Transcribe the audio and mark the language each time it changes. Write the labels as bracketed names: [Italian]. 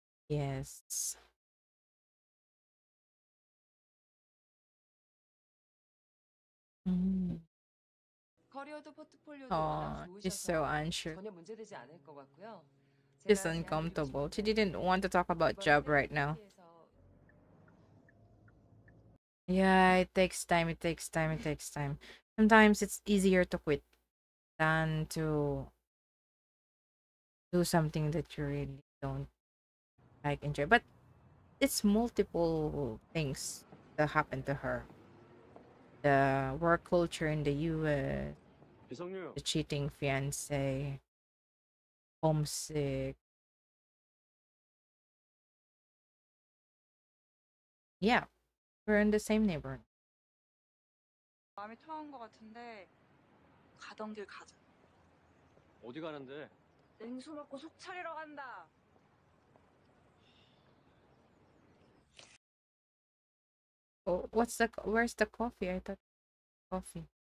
[English] Yes. [Korean] Career도 포트폴리오도 좋으셔서 [English] she's so unsure. [Korean] 전혀 문제되지 않을 것 같고요. [English] She's uncomfortable. She didn't want to talk about job right now. Yeah, it takes time. Sometimes it's easier to quit than to do something that you really don't like, enjoy. But it's multiple things that happened to her. The work culture in the US, the cheating fiance, homesick. Yeah. We're in the same neighborhood. [Korean] 마음이 터운 것 같은데 가던 길 가자. 어디 가는데? 냉수 먹고 속 차리러 간다. [English] 어, what's the where's the coffee? I thought coffee.